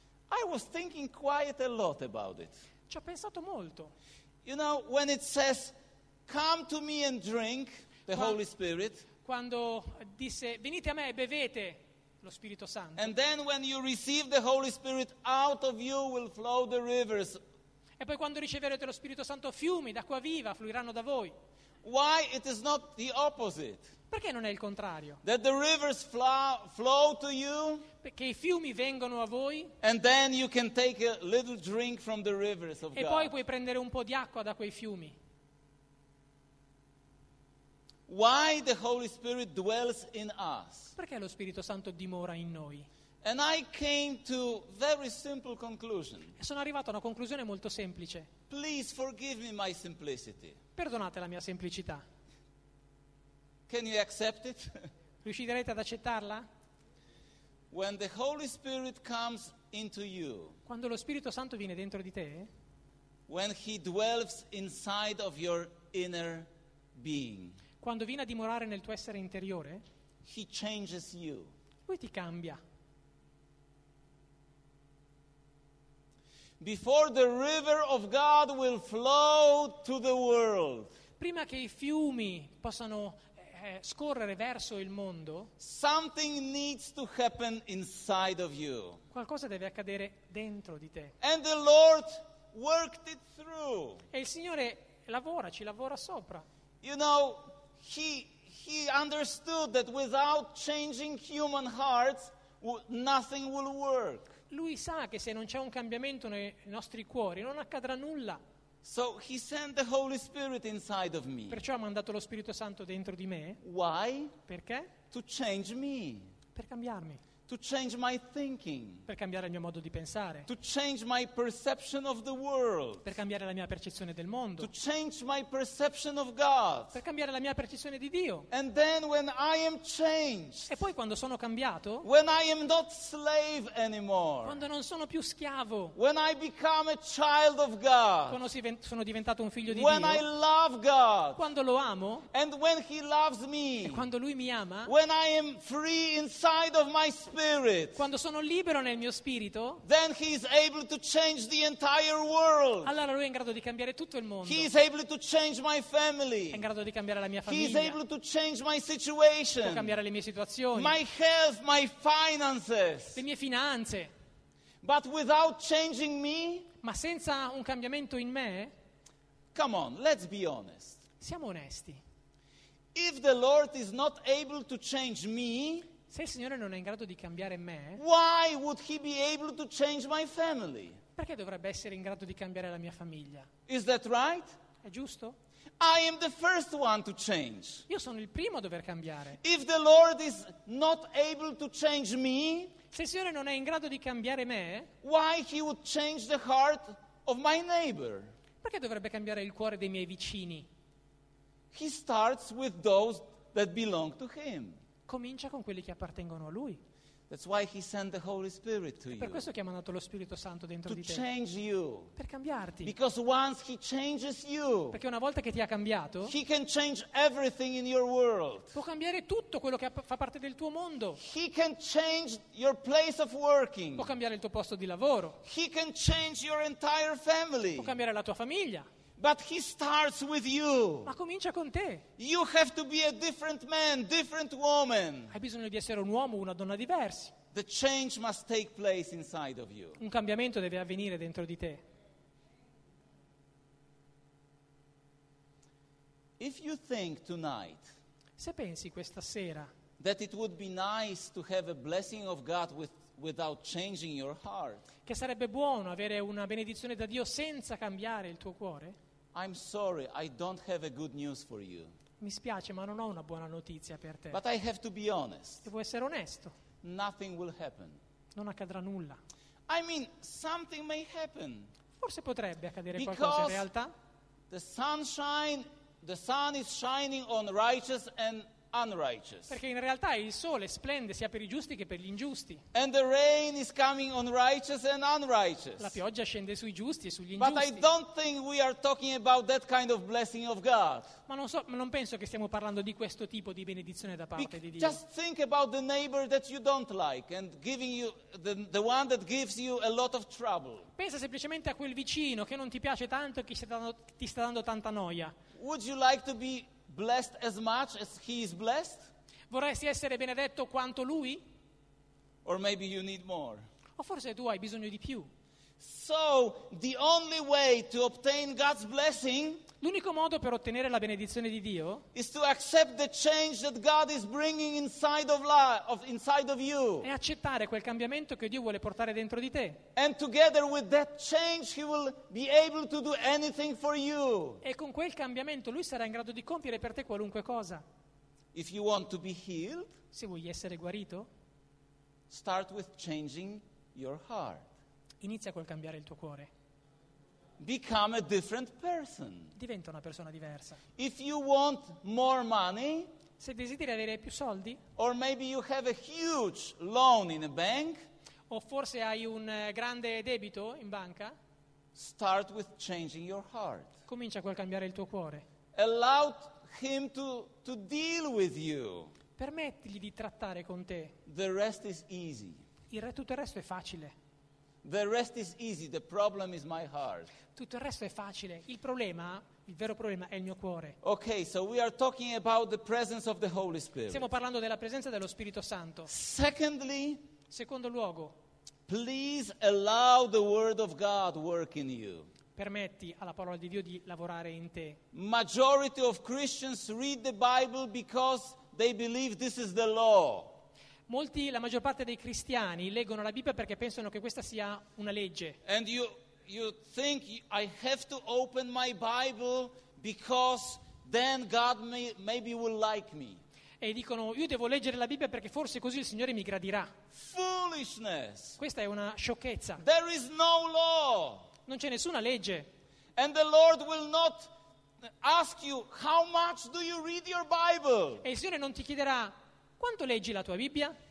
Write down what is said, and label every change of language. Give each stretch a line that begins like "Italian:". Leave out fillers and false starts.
English: I was thinking quite a lot about it.
Italian: Ci ho pensato molto.
English: You know, when it says come to me and drink, the Holy Spirit,
Italian: quando disse venite a me e bevete lo Spirito Santo.
English: And then when you receive the Holy Spirit, out of you will flow the rivers.
Italian: E poi quando riceverete lo Spirito Santo, fiumi d'acqua viva fluiranno da voi.
English: Why it is not the opposite?
Italian: Perché non è il contrario?
English: That the rivers flow to you.
Italian: Perché i fiumi vengono a voi.
English: And then you can take a little drink from the rivers of God.
Italian: E poi puoi prendere un po' di acqua da quei fiumi.
English: Why the Holy Spirit dwells in us?
Italian: Perché lo Spirito Santo dimora in noi?
English: And I came to very simple conclusion.
Italian: E sono arrivato a una conclusione molto semplice.
English: Please forgive me my simplicity.
Italian: Perdonate la mia semplicità.
English: Can you accept it?
Italian: Riuscirete ad accettarla?
English: When the Holy Spirit comes into you.
Italian: Quando lo Spirito Santo viene dentro di te.
English: When he dwells inside of your inner being.
Italian: Quando viene a dimorare nel tuo essere interiore.
English: He changes you.
Italian: Lui ti cambia.
English: Before the river of God will flow to the world.
Italian: Prima che i fiumi possano scorrere verso il mondo.
English: Something needs to happen inside of you.
Italian: Qualcosa deve accadere dentro di te.
English: And the Lord worked it through.
Italian: E il Signore lavora, ci lavora sopra.
English: You know, he understood that without changing human hearts, nothing will work.
Italian: Lui sa che se non c'è un cambiamento nei nostri cuori non accadrà nulla.
English: So he sent the Holy Spirit inside of me.
Italian: Perciò ha mandato lo Spirito Santo dentro di me.
English: Why?
Italian: Perché?
English: To change me.
Italian: Per cambiarmi.
English: To change my thinking.
Italian: Per cambiare il mio modo di pensare.
English: To change my perception of the world.
Italian: Per cambiare la mia percezione del mondo.
English: To change my perception of God.
Italian: Per cambiare la mia percezione di Dio.
English: And then when I am changed.
Italian: E poi quando sono cambiato.
English: When I am not slave anymore.
Italian: Quando non sono più schiavo.
English: When I become a child of God.
Italian: Quando sono diventato un figlio di Dio.
English: When I love God.
Italian: Quando lo amo.
English: And when he loves me.
Italian: E quando lui mi ama.
English: When I am free inside of my spirit.
Italian: Quando sono libero nel mio spirito,
English: then he is able to change the entire world.
Italian: Allora lui è in grado di cambiare tutto il mondo.
English: He is able to change my family.
Italian: È in grado di cambiare la mia famiglia.
English: He is able to change my situation.
Italian: Può cambiare le mie situazioni.
English: My health, my finances.
Italian: Le mie finanze.
English: But without changing me,
Italian: ma senza un cambiamento in me,
English: come on, let's be honest.
Italian: Siamo onesti.
English: If the Lord is not able to change me.
Italian: Se il Signore non è in grado di cambiare me,
English: why would he be able to change my family?
Italian: Perché dovrebbe essere in grado di cambiare la mia famiglia?
English: Is that right?
Italian: È giusto?
English: I am the first one to change.
Italian: Io sono il primo a dover cambiare.
English: If the Lord is not able to change me,
Italian: se il Signore non è in grado di cambiare me,
English: why he would change the heart of my neighbor?
Italian: Perché dovrebbe cambiare il cuore dei miei vicini?
English: He starts with those that belong to him.
Italian: Comincia con quelli che appartengono a lui.
English: That's why he sent the Holy Spirit to you.
Italian: Per questo che ha mandato lo Spirito Santo dentro
English: to
Italian: di te.
English: To change you.
Italian: Per cambiarti.
English: Because once he changes you.
Italian: Perché una volta che ti ha cambiato.
English: He can change everything in your world.
Italian: Può cambiare tutto quello che fa parte del tuo mondo.
English: He can change your place of working.
Italian: Può cambiare il tuo posto di lavoro.
English: He can change your entire family.
Italian: Può cambiare la tua famiglia.
English: But he starts with you.
Italian: Ma comincia con te.
English: You have to be a different man, different woman.
Italian: Hai bisogno di essere un uomo o una donna diversi.
English: The change must take place inside of you.
Italian: Un cambiamento deve avvenire dentro di te.
English: If you think tonight.
Italian: Se pensi questa sera.
English: That it would be nice to have a blessing of God without changing your heart.
Italian: Che sarebbe buono avere una benedizione da Dio senza cambiare il tuo cuore.
English: I'm sorry, I don't have a good news for you.
Italian: Mi spiace, ma non ho una buona notizia per te.
English: But I have to be honest.
Italian: Devo essere onesto.
English: Nothing will happen.
Italian: Non accadrà nulla.
English: I mean, something may happen.
Italian: Forse potrebbe accadere
English: because
Italian: qualcosa in realtà.
English: The sun is shining on righteous and unrighteous.
Italian: Perché in realtà il sole splende sia per i giusti che per gli ingiusti.
English: And the rain is coming on righteous and unrighteous.
Italian: La pioggia scende sui giusti e sugli ingiusti.
English: But I don't think we are talking about that kind of blessing of God.
Italian: Ma non penso che stiamo parlando di questo tipo di benedizione da parte di Dio.
English: Just think about the neighbor that you don't like and giving you the one that gives you a lot of trouble.
Italian: Pensa semplicemente a quel vicino che non ti piace tanto e che ti sta dando tanta noia.
English: Would you like to be blessed as much as he is blessed?
Italian: Vorresti essere benedetto quanto lui?
English: Or maybe you need more.
Italian: O forse tu hai bisogno di più.
English: So the only way to obtain God's blessing,
Italian: l'unico modo per ottenere la benedizione di Dio,
English: is to accept the change that God is bringing inside of life, of inside of you.
Italian: È accettare quel cambiamento che Dio vuole portare dentro di te.
English: And together with that change, He will be able to do anything for you.
Italian: E con quel cambiamento lui sarà in grado di compiere per te qualunque cosa.
English: If you want to be healed,
Italian: se vuoi essere guarito,
English: start with changing your heart.
Italian: Inizia col cambiare il tuo cuore.
English: Become a different person.
Italian: Diventa una persona diversa.
English: If you want more money,
Italian: se desideri avere più soldi,
English: or maybe you have a huge loan in a bank,
Italian: o forse hai un grande debito in banca,
English: start with changing your heart.
Italian: Comincia col cambiare il tuo cuore.
English: Allow Him to deal with you.
Italian: Permettigli di trattare con te.
English: The rest is easy.
Italian: Tutto il resto è facile.
English: The rest is easy, the problem is my heart.
Italian: Tutto il resto è facile. Il problema, il vero problema è il mio cuore.
English: Okay, so we are talking about the presence of the Holy Spirit.
Italian: Stiamo parlando della presenza dello Spirito Santo.
English: Secondly,
Italian: secondo luogo,
English: please allow the word of God work in you.
Italian: Permetti alla parola di Dio di lavorare in te.
English: Majority of Christians read the Bible because they believe this is the law.
Italian: Molti, la maggior parte dei cristiani leggono la Bibbia perché pensano che questa sia una legge.
English: And you think I have to open my Bible because then God maybe will like me.
Italian: E dicono io devo leggere la Bibbia perché forse così il Signore mi gradirà.
English: Foolishness.
Italian: Questa è una sciocchezza.
English: There is no law.
Italian: Non c'è nessuna legge.
English: And the Lord will not ask you how much do you read your Bible.
Italian: E il Signore non ti chiederà quanto leggi la tua Bibbia?